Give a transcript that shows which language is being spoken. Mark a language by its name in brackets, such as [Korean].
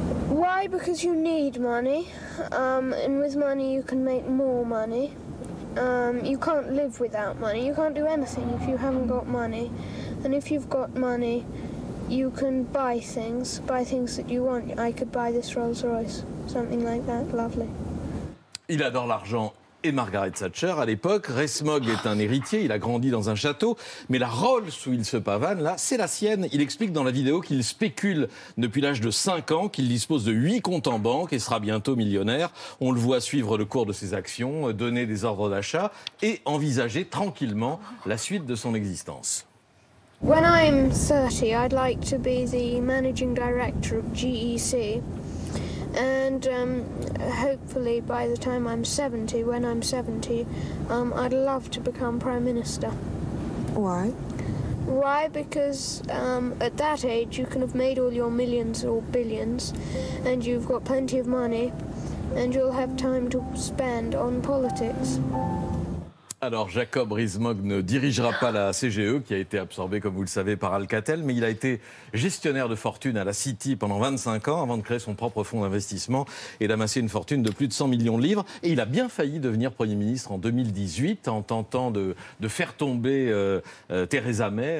[English] buy because you need money, and with money you can make more money. You can't live without money. You can't do anything if you haven't got money. And if you've got money, you can buy things that you want. I could buy this Rolls Royce, something like that. Lovely. [French] Il adore l'argent. Et Margaret Thatcher, à l'époque, Resmog est un héritier, il a grandi dans un château, mais la Rolls où il se pavane, là, c'est la sienne. Il explique dans la vidéo qu'il spécule depuis l'âge de 5 ans, qu'il dispose de 8 comptes en banque et sera bientôt millionnaire. On le voit suivre le cours de ses actions, donner des ordres d'achat et envisager tranquillement la suite de son existence. [English] When I'm 30, I'd like to be the managing director of GEC. And hopefully by the time I'm 70, when I'm 70, I'd love to become Prime Minister. Why? Why? Because at that age you can have made all your millions or billions and you've got plenty of money and you'll have time to spend on politics. [French] Alors, Jacob Rees-Mogg ne dirigera pas la CGE, qui a été absorbée, comme vous le savez, par Alcatel, mais il a été gestionnaire de fortune à la City pendant 25 ans, avant de créer son propre fonds d'investissement et d'amasser une fortune de plus de 100 millions de livres. Et il a bien failli devenir Premier ministre en 2018, en tentant de faire tomber Theresa May.